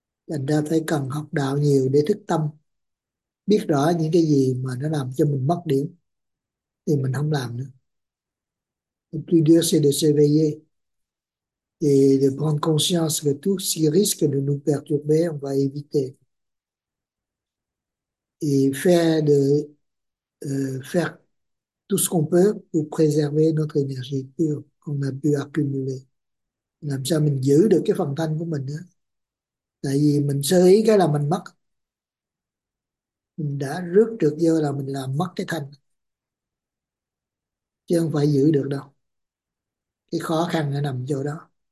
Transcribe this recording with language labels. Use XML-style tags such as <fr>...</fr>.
<vi>Thành ra phải cần học đạo nhiều để thức tâm. Biết rõ những cái gì mà nó làm cho mình mất điểm thì mình không làm nữa.</vi> <fr>Le plus dur, c'est de s'éveiller et de prendre conscience que tout ce qui risque de nous perturber, on va éviter. Et faire tout ce qu'on peut pour préserver notre énergie pure qu'on a pu accumuler.</fr> <vi>Làm sao mình giữ được cái phần thanh của mình đó. Tại vì mình sơ ý cái là mình mất. Mình đã rước trượt vô là mình làm mất cái thanh. Chứ không phải giữ được đâu. Cái khó khăn nó nằm chỗ đó.</vi>